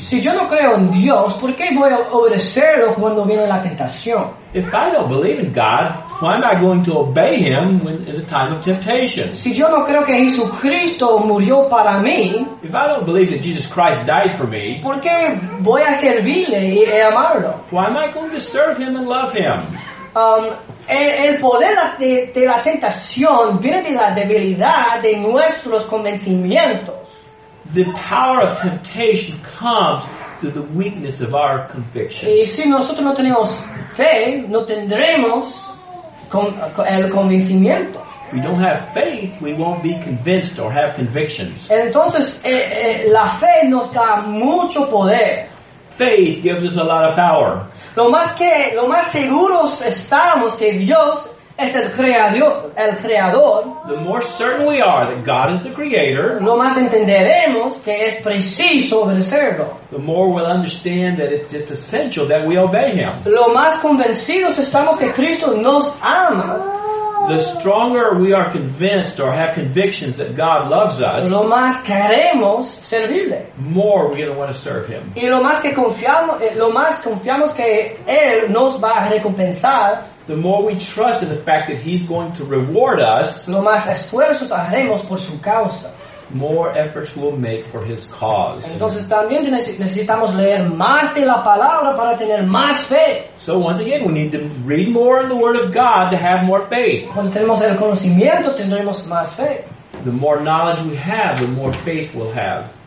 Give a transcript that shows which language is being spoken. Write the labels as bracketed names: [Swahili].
[Spanish] Si yo no creo en Dios, ¿por qué voy a obedecerlo cuando viene la tentación? [English] If I don't believe in God, why am I going to obey Him in the time of temptation? [Spanish] Si yo no creo que Jesucristo murió para mí, [English] if I don't believe that Jesus Christ died for me, [Spanish] ¿por qué voy a servirle y amarlo? [English] Why am I going to serve Him and love Him? [Spanish] El poder de la tentación viene de la debilidad de nuestros convencimientos. [English] The power of temptation comes through the weakness of our convictions. [Spanish] Y si nosotros no tenemos fe, no tendremos el convencimiento. [English] If we don't have faith, we won't be convinced or have convictions. [Spanish] Entonces, la fe nos da mucho poder. [English] Faith gives us a lot of power. [Spanish] Lo más seguros estamos que Dios es el creador. [English] The more certain we are that God is the creator, [Spanish] lo más entenderemos que es preciso obedecerlo. [English] The more we'll understand that it's just essential that we obey Him. [Spanish] Lo más convencidos estamos que Cristo nos ama. [English] The stronger we are convinced or have convictions that God loves us, [Spanish] lo más queremos servirle. [English] More we're going to want to serve Him. [Spanish] Y lo más confiamos que Él nos va a recompensar. [English] The more we trust in the fact that He's going to reward us, [Spanish] lo más esfuerzos haremos por su causa. [English] More efforts we'll make for His cause. [Spanish] Entonces también necesitamos leer más de la palabra para tener más fe. [English] So once again, we need to read more in the Word of God to have more faith. [Spanish] Cuando tenemos el conocimiento, tendremos más fe. [English] The more knowledge we have, the more faith we'll have.